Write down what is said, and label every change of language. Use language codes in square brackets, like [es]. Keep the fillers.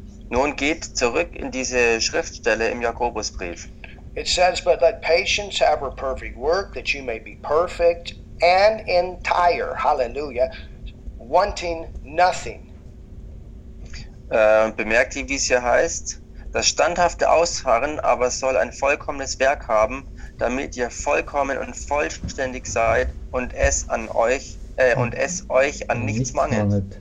[de] Nun geht zurück in diese Schriftstelle im Jakobusbrief. [en] It says, but let patience have her perfect work, that you may be perfect and entire. Hallelujah. Wanting nothing. [de] Uh, bemerkt ihr, wie es hier heißt? Das standhafte Ausharren aber soll ein vollkommenes Werk haben, damit ihr vollkommen und vollständig seid und es an euch äh, und es euch an nichts mangelt.